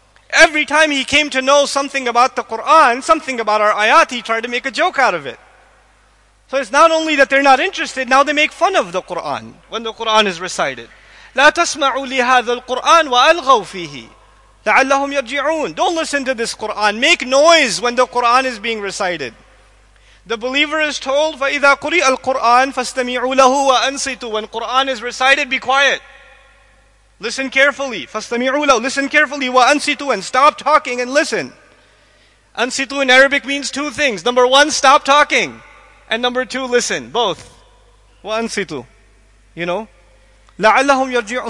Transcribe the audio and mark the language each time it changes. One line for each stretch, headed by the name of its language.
English: Every time he came to know something about the Qur'an, something about our ayat, he tried to make a joke out of it. So it's not only that they're not interested, now they make fun of the Qur'an, when the Qur'an is recited.
Arabic: لَا تَسْمَعُوا لِهَذَا الْقُرْآنِ وَأَلْغَوْا فِيهِ لَعَلَّهُمْ يَرْجِعُونَ.
English: Don't listen to this Qur'an, make noise when the Qur'an is being recited. The believer is told,
Arabic: فَإِذَا قُرِئَ الْقُرْآنِ فَاسْتَمِعُوا لَهُ وَأَنْصِتُوا.
English: When Qur'an is recited, be quiet. Listen carefully.
Arabic: فَاسْتَمِعُوا لَهُ.
English: Listen carefully.
Arabic: وَأَنْصِتُوا.
English: And stop talking and listen. أَنْصِتُوا in Arabic means two things. Number one, stop talking. And number two, listen. Both.
Arabic: وَأَنْصِتُوا.
English: You know?
Arabic: لَعَلَّهُمْ يَرْجِعُونَ.